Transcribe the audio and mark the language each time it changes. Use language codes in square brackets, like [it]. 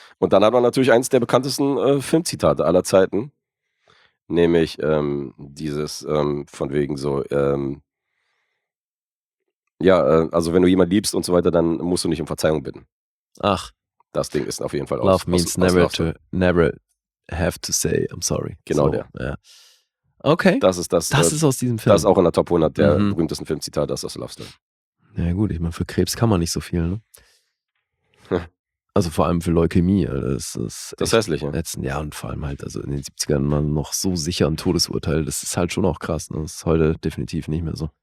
[de] Und dann hat man natürlich eins der bekanntesten Filmzitate aller Zeiten. Nämlich dieses von wegen so, also wenn du jemanden liebst und so weiter, dann musst du nicht um Verzeihung bitten. Ach. Das Ding ist auf jeden Fall auch. [en] Love means never have to say I'm sorry. [de] Genau, so, der. Ja. Okay. Das ist das. Das ist aus diesem Film. Das ist auch in der Top 100 der berühmtesten Filmzitate, das ist aus Love Story. Ja gut, ich meine, für Krebs kann man nicht so viel, ne? Also vor allem für Leukämie, das ist das Hässliche. Letzten, ja, und vor allem halt, also in den 70ern man noch so sicher ein Todesurteil, das ist halt schon auch krass, ne? Das ist heute definitiv nicht mehr so.